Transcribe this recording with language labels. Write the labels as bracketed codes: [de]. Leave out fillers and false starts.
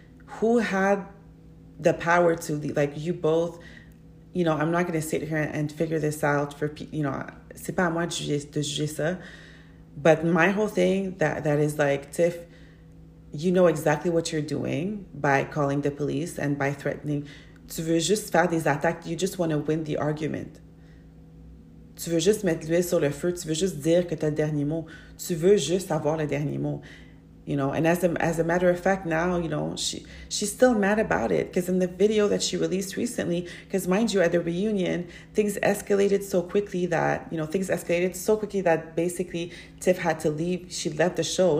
[en] Who had the power to leave? Like, you both, you know, I'm not going to sit here and figure this out for, you know, [fr] c'est pas à moi de juger ça. [en] But my whole thing that is like, Tiff, you know exactly what you're doing by calling the police and by threatening. [fr] Tu veux juste faire des attaques. [en] You just want to win the argument. [fr] Tu veux juste mettre l'huile sur le feu. Tu veux juste dire que t'as le dernier mot. Tu veux juste avoir le dernier mot. [en] You know, and as a matter of fact, now, you know, she's still mad about it. Because in the video that she released recently, because mind you, at the reunion, things escalated so quickly that basically Tiff had to leave. She left the show.